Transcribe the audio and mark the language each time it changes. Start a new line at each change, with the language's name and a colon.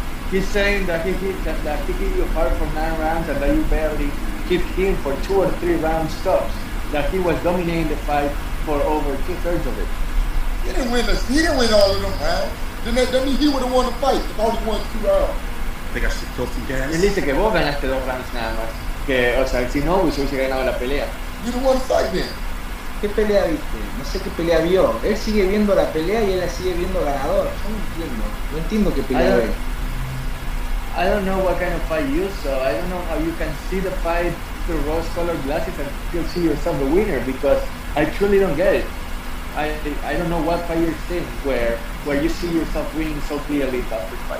English: He's saying that he hit you hard for 9 rounds and that you barely hit him for 2 or 3 round stops. That he was dominating the fight for over 2/3 of it. He didn't win all of them rounds. Then he would have won the fight if all he won 2 rounds.
Spanish: Él dice que vos ganaste 2 rounds nada más. Que, o sea, si no, vos hubiese ganado la pelea.
English: You didn't want to fight then.
Spanish: ¿Qué pelea viste? No sé qué pelea vio. Él sigue viendo la pelea y él la sigue viendo ganador. Yo no entiendo qué pelea ve.
English: I don't know what kind of fight you saw. I don't know how you can see the fight through rose-colored glasses and still see yourself the winner, because I truly don't get it. I don't know what fight you're seeing where you see yourself winning so clearly about this fight.